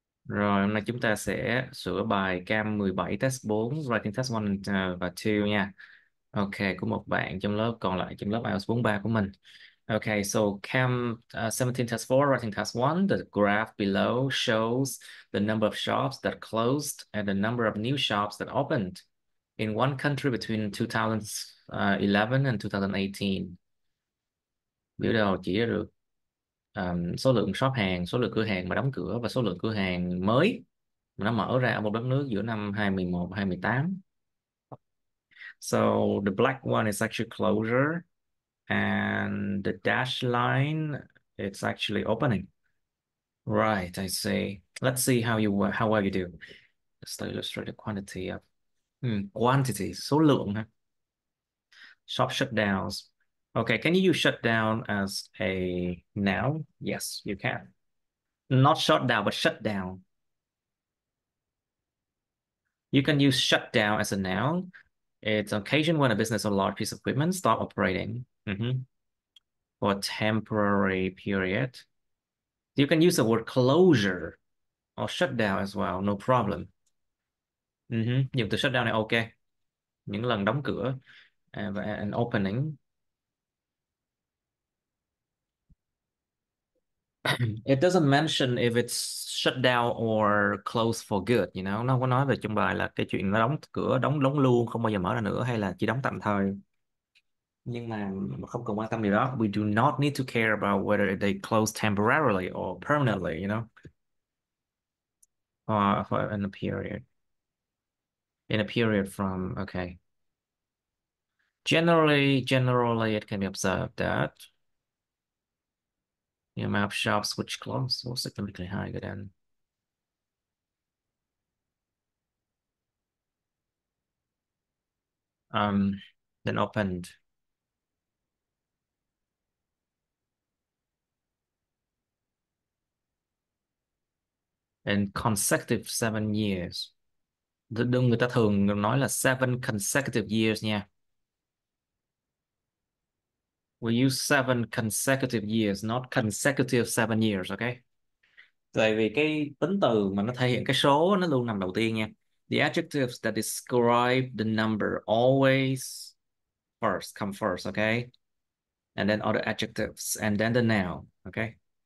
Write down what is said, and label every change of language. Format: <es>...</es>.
<vi>Rồi, hôm nay chúng ta sẽ sửa bài cam 17 test 4, writing test 1 và 2 nha. Ok, của một bạn trong lớp, còn lại trong lớp IELTS 43 của mình.</vi> <en>Ok, so cam 17 test 4, writing test 1, the graph below shows the number of shops that closed and the number of new shops that opened in one country between 2011 and 2018.</en> <vi>Biểu đồ chỉ ra được số lượng shop hàng, số lượng cửa hàng mà đóng cửa và số lượng cửa hàng mới mà nó mở ra ở một đất nước giữa năm 2011-2018.</vi> <en>So, the black one is actually closure and the dashed line is actually opening. Right, I see. Let's see how well you do. Let's illustrate the quantity of quantity,</en> <vi>số lượng ha.</vi> <en>Shop shutdowns. Okay, can you use shutdown as a noun? Yes, you can. Not shut down, but shut down. You can use shut down as a noun. It's an occasion when a business or large piece of equipment stop operating for a temporary period. You can use the word closure or shut down as well, no problem.</en> <vi>Dùng từ shut down này ok. Những lần đóng cửa</vi> <en>and an opening. It doesn't mention if it's shut down or closed for good, you know.</en> <vi>Nó có nói về trong bài là cái chuyện nó đóng cửa, đóng luôn, không bao giờ mở ra nữa hay là chỉ đóng tạm thời. Nhưng mà không cần quan tâm điều đó.</vi> <en>We do not need to care about whether they close temporarily or permanently, you know. For in a period. In a period from, okay. Generally it can be observed that the amount of shops which close was significantly higher than. Then opened. In consecutive 7 years.</en> <vi>Đừng người ta thường nói là</vi> <en>7 consecutive years</en> <vi>nha.</vi> <en>We use 7 consecutive years, not consecutive 7 years, okay?</en> <vi>Tại vì cái tính từ mà nó thể hiện cái số nó luôn nằm đầu tiên nha.</vi> <en>The adjectives that describe the number always first come first, okay? And then other adjectives, and then the noun, okay?</en>